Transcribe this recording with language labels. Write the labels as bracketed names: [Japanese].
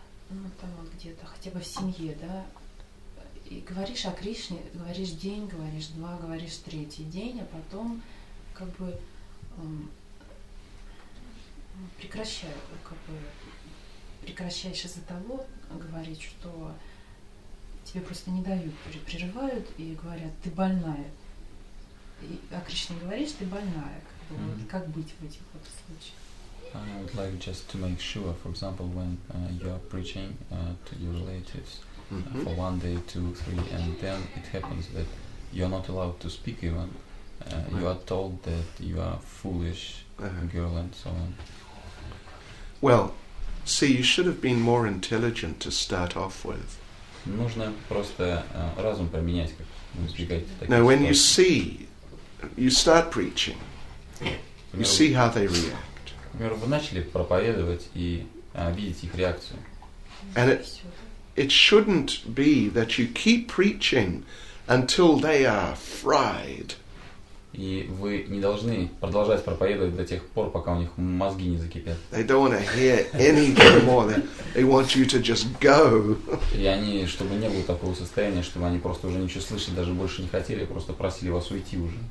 [Russian] Ну, там вот где-то, хотя бы в семье, да, и говоришь о Кришне, говоришь день, говоришь два, говоришь третий день, а потом как бы прекращаешь из-за того говорить, что тебе просто не дают, прерывают и говорят, ты больная. И о Кришне говоришь, ты больная. Как бы, вот, как быть в этих вот случаях? [English] I would like just to make sure, for example, when you are preaching to your relatives for one day, two, three, and then it happens that you are not allowed to speak even. Right. You are told that you are foolish girl and so on. Well, see, you should have been more intelligent to start off with. [Russian] Нужно просто разум поменять, как избегать таких ситуаций. [English] Now, when you see, you start preaching, you see how they react. [Russian] Например, вы начали проповедовать и видеть их реакцию. [English] And it shouldn't be that you keep preaching until they are fried. [Russian] И вы не должны продолжать проповедовать до тех пор, пока у них мозги не закипят. [English] They don't want to hear anything more. They want you to just go. [Russian] И они, чтобы не было такого состояния, чтобы они просто уже ничего слышать даже больше не хотели, просто просили вас уйти уже.